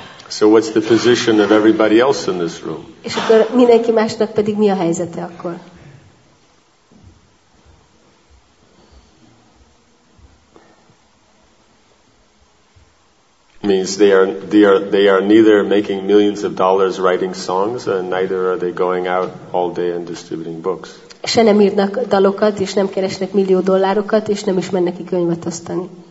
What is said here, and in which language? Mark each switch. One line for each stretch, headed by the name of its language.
English: So what's the position of everybody else in this room?
Hungarian: És akkor mindenki másnak pedig mi a helyzete akkor?
English: Means they are neither making millions of dollars writing songs, and neither are they going out all day and distributing books.
Hungarian: Se nem írnak dalokat, és nem keresnek millió dollárokat, és nem is mennek ki könyvet osztani.